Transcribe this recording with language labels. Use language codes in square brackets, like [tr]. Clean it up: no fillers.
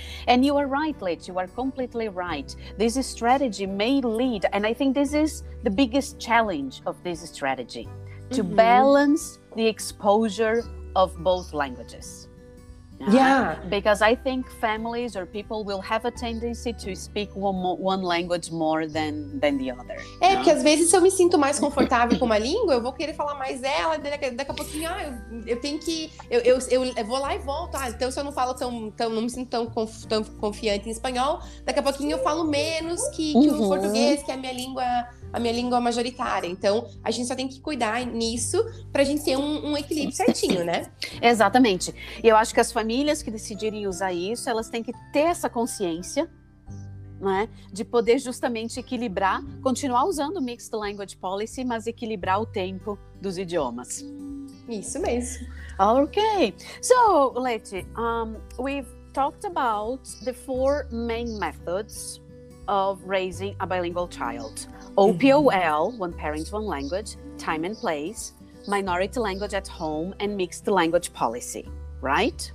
[en] And you are right, Leti. You are completely right. This strategy may lead, and I think this is the biggest challenge of this strategy, to balance the exposure of both languages. Yeah. Because I think families or people will have a tendency to speak one language more than the other. [pt] É, não? Porque às vezes se eu me sinto mais confortável com uma língua, eu vou querer falar mais dela, daqui a pouquinho, eu tenho que... Eu vou lá e volto. Ah, então se eu não falo tão não me sinto tão confiante em espanhol, daqui a pouquinho eu falo menos que o português, que é a minha língua majoritária. Então, a gente só tem que cuidar nisso para a gente ter um equilíbrio certinho, né? Exatamente. E eu acho que as famílias que decidirem usar isso, elas têm que ter essa consciência, né, de poder justamente equilibrar, continuar usando o Mixed Language Policy, mas equilibrar o tempo dos idiomas. Isso mesmo. [en] Okay. So, Leti, we've talked about the four main methods of raising a bilingual child. OPOL, one parent, one language, time and place, minority language at home, and mixed language policy, right?